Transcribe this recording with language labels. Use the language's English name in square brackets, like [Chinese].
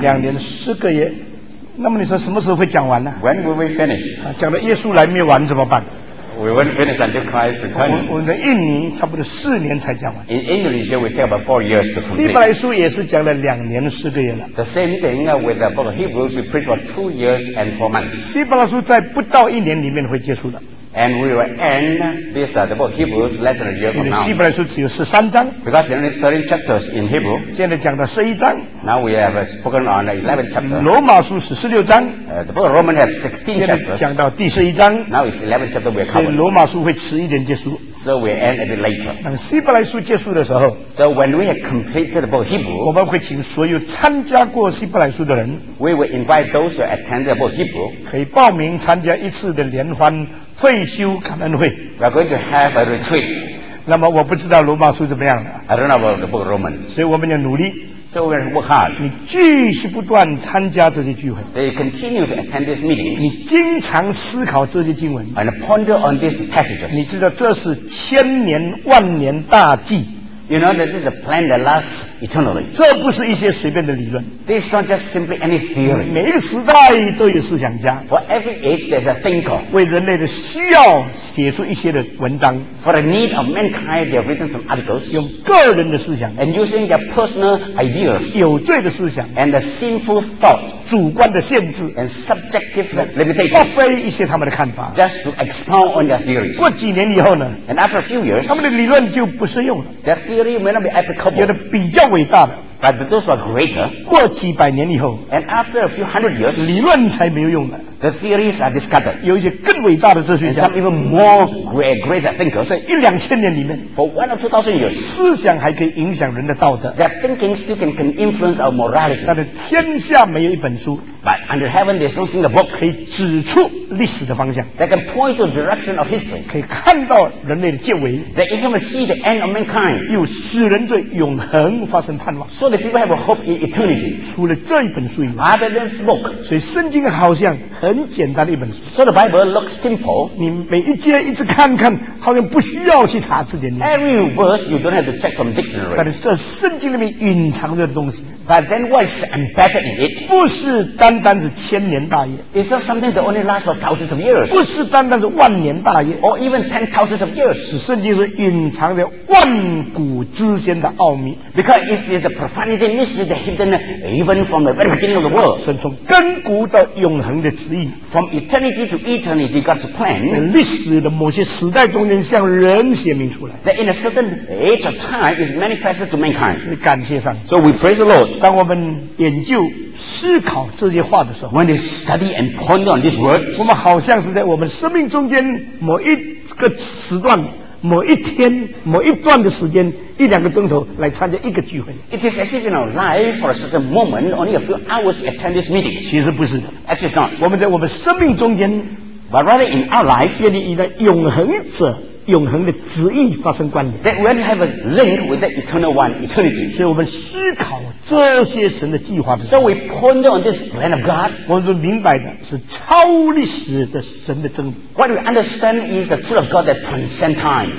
[Chinese] 两年四个月，那么你说什么时候会讲完呢？ [English] When will we finish？ [Chinese] 讲到耶稣来灭亡怎么办？ [English] We won't finish until Christ returns。 [Chinese] 我们印尼差不多四年才讲完。 [English] In Indonesia, we take about 4 years to complete。 [Chinese] 希伯来书也是讲了两年四个月了。 [English] The same thing with the book of Hebrews, we preach for 2 years and 4 months。 [Chinese] 希伯来书在不到一年里面会结束的。 [English] And we will end this the book of Hebrews less than a year from now. [Chinese] 希伯来书只有13章。 [English] Because there are only 13 chapters in Hebrew. [Chinese] 现在讲到11章。 [English] Now we have spoken on 11 chapters. [Chinese] 罗马书16章。 [English] The book of Romans has 16 chapters. [Chinese] 现在讲到第11章。 [English] Now it's 11 chapters we're covering. [Chinese] 所以罗马书会迟一点结束。 [English] So we end a bit later. [Chinese] 当希伯来书结束的时候。 [English] So when we have completed the book of Hebrew. [Chinese] 我们会请所有参加过希伯来书的人。 [English] We will invite those who attended the book of Hebrew. [Chinese] 可以报名参加一次的联欢。退休感恩会 [English] We are going to have a retreat [Chinese] 那么我不知道罗马书怎么样了 [English] I don't know about the book of Romans [Chinese] 所以我们要努力 [English] So we are work hard [Chinese] 你继续不断参加这些聚会 [English] They continue to attend this meeting [Chinese] 你经常思考这些经文 [English] And ponder on these passages [Chinese] 你知道这是千年万年大计 [English] You know that this is a plan that lasts eternally [Chinese] 这不是一些随便的理论 [English] This is not just simply any theory [Chinese] 每一个时代都有思想家 [English] For every age there's a thinker [Chinese] 为人类的需要写出一些的文章 [English] For the need of mankind they've written some articles [Chinese] 用个人的思想 [English] And using their personal ideas [Chinese] 有罪的思想 [English] And the sinful thoughts [Chinese] 主观的限制 [English] And subjective limitations [Chinese] 发挥一些他们的看法 [English] Just to expound on their theories [Chinese] 过几年以后呢 [English] And after a few years [Chinese] 他们的理论就不适用了 [English] Their theory may not be applicable [Chinese] 有的比较伟大的 [English] but those are greater, [Chinese] 过几百年以后 [English] and after a few hundred years, [Chinese] 理论才没有用的 [English] the theories are discarded, [Chinese] 有一些更伟大的哲学家 [English] and some even more greater thinkers, [Chinese] 在一两千年里面 [English] for 1 or 2,000 years, [Chinese] 思想还可以影响人的道德 [English] that thinking still can influence our morality, [Chinese] 但是天下没有一本书 [English] but under heaven there's no single book, [Chinese] 可以指出历史的方向 [English] that can point to the direction of history, [Chinese] 可以看到人类的结尾 [English] that you can see the end of mankind, [Chinese] 又使人对永恒发生盼望 [English] so that people have a hope in eternity, [Chinese] 除了这一本书以外 [English] other than this book, [Chinese] 所以圣经好像很简单的一本书 [English] so the Bible looks simple, [Chinese] 你每一节一直看看好像不需要去查字典 [English] every verse you don't have to check from dictionary, [Chinese] 但是这圣经里面隐藏的东西 [English] but then what is embedded in it, [Chinese] 不是单单是千年大业 [English] it's not something that only lasts forThousands of years, [Chinese] 不是单单是万年大业 [English] or even 10,000 of years, [Chinese] 是圣经是隐藏在万古之间的奥秘 [English] because it is the profundity mystery that hidden even from the very beginning of the world, [Chinese] 是从亘古到永恒的旨意 [English] from eternity to eternity God's plan, [Chinese] 在历史的某些时代中间向人显明出来 [English] that in a certain age of time is manifested to mankind, [Chinese] 所以感谢上帝 [English] so we praise the Lord, [Chinese] 当我们研究思考这些话的时候 [English] when we study and ponder on these words, [Chinese] 我们好像是在我们生命中间某一个时段某一天某一段的时间一两个钟头来参加一个聚会 [English] It is as if in our life for a certain moment only a few hours attend this meeting [Chinese] 其实不是的 [English] Actually not [Chinese] 我们在我们生命中间 [English] But rather in our life [Chinese] 建立一个永恒者永恒的旨意发生关联 [English] That we have a link with the eternal one eternity [Chinese] 所以我们思考这些神的计划的 [English] So we ponder on this plan of God [Chinese] 我们所明白的是超历史的神的真理 [English] What we understand is the truth of God that transcends time